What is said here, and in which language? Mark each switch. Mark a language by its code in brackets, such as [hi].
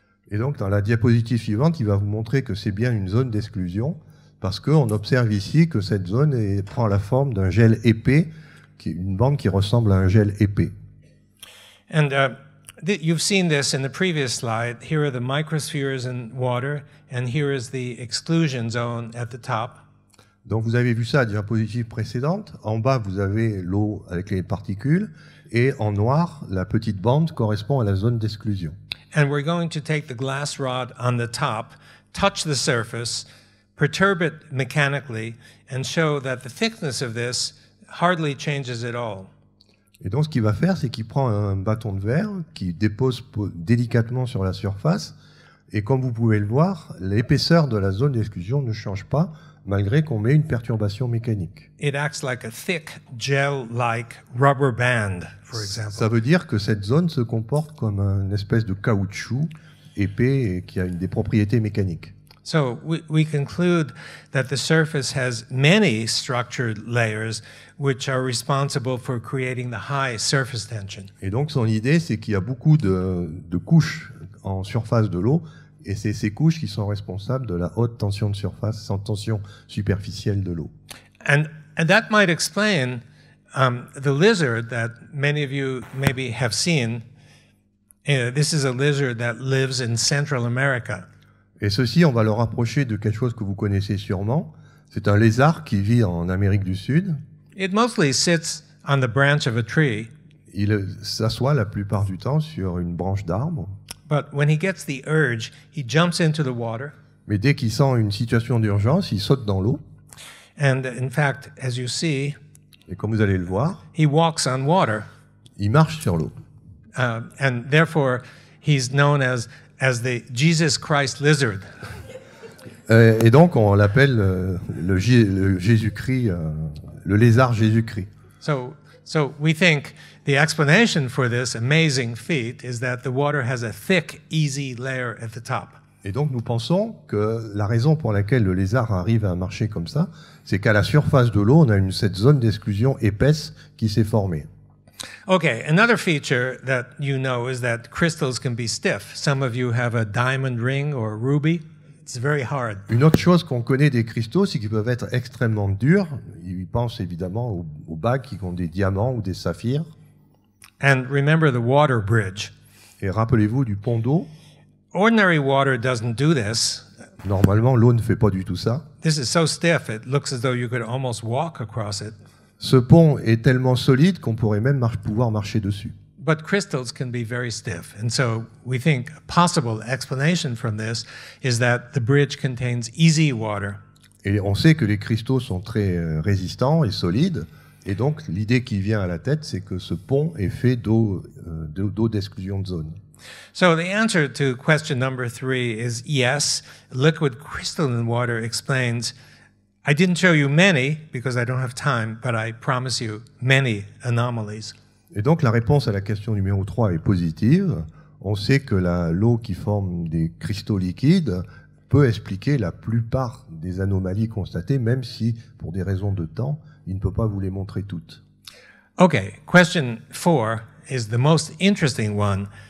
[fr] Et donc dans la diapositive suivante, il va vous montrer que c'est bien une zone d'exclusion parce qu'on observe ici que cette zone prend la forme d'un gel épais, qui est une bande qui ressemble à un gel épais. [en] And you've seen this in the previous slide. Here are the microspheres in water, and here is the exclusion zone at the top. [fr] Donc vous avez vu ça à la diapositive précédente. En bas, vous avez l'eau avec les particules. Et en noir, la petite bande correspond à la zone d'exclusion. [en] And we're going to take the glass rod on the top, touch the surface, perturb it mechanically, and show that the thickness of this hardly changes at all. [fr] Et donc ce qu'il va faire, c'est qu'il prend un bâton de verre, qu'il dépose délicatement sur la surface. Et comme vous pouvez le voir, l'épaisseur de la zone d'exclusion ne change pas, malgré qu'on met une perturbation mécanique. [en] It acts like a thick gel-like rubber band, for example. [fr] Ça veut dire que cette zone se comporte comme une espèce de caoutchouc épais et qui a une des propriétés mécaniques. [en] So we conclude that the surface has many structured layers which are responsible for creating the high surface tension. [fr] Et donc son idée, c'est qu'il y a beaucoup de couches en surface de l'eau. Et c'est ces couches qui sont responsables de la haute tension de surface sans tension superficielle de l'eau. [en] And that might explain the lizard that many of you maybe have seen. This is a lizard that lives in Central America. [fr] Et ceci, on va le rapprocher de quelque chose que vous connaissez sûrement. C'est un lézard qui vit en Amérique du Sud. [en] It mostly sits on the branch of a tree. [fr] Il s'assoit la plupart du temps sur une branche d'arbre. [en] But when he gets the urge, he jumps into the water. [fr] Mais dès qu'il sent une situation d'urgence, il saute dans l'eau. [en] And in fact, as you see, [fr] et comme vous allez le voir, [en] he walks on water. [fr] Il marche sur l'eau. [en] And therefore, he's known as the Jesus Christ lizard. [fr] Et donc, on l'appelle le Jésus-Christ, le lézard Jésus-Christ. [en] So we think the explanation for this amazing feat is that the water has a thick, easy layer at the top. [fr] Et donc nous pensons que la raison pour laquelle le lézard arrive à marcher comme ça, c'est qu'à la surface de l'eau, on a cette zone d'exclusion épaisse qui s'est formée. [en] Okay, another feature that you know is that crystals can be stiff. Some of you have a diamond ring or a ruby. It's very hard. [fr] Une autre chose qu'on connaît des cristaux, c'est qu'ils peuvent être extrêmement durs. Ils pensent évidemment aux bagues qui ont des diamants ou des saphirs. [en] And remember the water bridge. [fr] Et rappelez-vous du pont d'eau. [en] Ordinary water doesn't do this. [fr] Normalement, l'eau ne fait pas du tout ça. [en] This is so stiff, it looks as though you could almost walk across it. [fr] Ce pont est tellement solide qu'on pourrait même pouvoir marcher dessus. [en] But crystals can be very stiff, and so we think a possible explanation from this is that the bridge contains easy water. [fr] Et on sait que les cristaux sont très résistants et solides, et donc l'idée qui vient à la tête, c'est que ce pont est fait d'eau d'exclusion de zone. [en] So the answer to question number three is yes. Liquid crystalline water explains. I didn't show you many because I don't have time, but I promise you many anomalies. [fr] Et donc la réponse à la question numéro 3 est positive. On sait que l'eau qui forme des cristaux liquides peut expliquer la plupart des anomalies constatées, même si, pour des raisons de temps, il ne peut pas vous les montrer toutes. [en] Okay, question 4 is the most interesting one.